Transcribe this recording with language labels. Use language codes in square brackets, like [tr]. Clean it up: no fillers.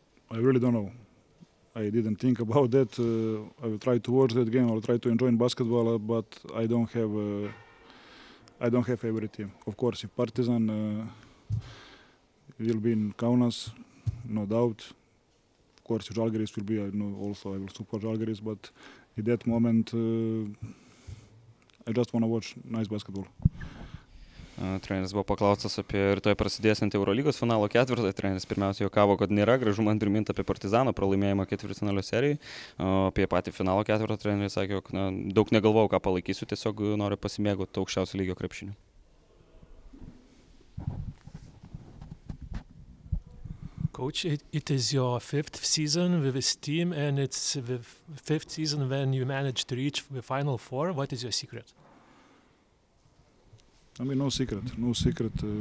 [en] I really don't know. I didn't think about that. I will try to watch that game. I will try to enjoy basketball, but I don't have favorite team. Of course, if Partizan. Will be in Kaunas, no doubt. Of course, Žalgiris will be. I know also I will support Žalgiris, but at that moment, I just want to watch nice basketball. [lt] Treneris buvo paklaustas apie rytoj prasidėsiantį Eurolygos finalo ketvirtą. Treneris pirmiausia jokavo, kad nėra gražu man priminti apie Partizano pralaimėjimą ketvirtfinalio serijai. Apie patį finalo ketvirtą treneris sakė, jog daug negalvojau, ką palaikysiu, tiesiog noriu pasimėgauti aukščiausio lygio krepšiniu. [en] Coach, it is your fifth season with this team, and it's the fifth season when you managed to reach the Final Four. What is your secret? I mean, no secret.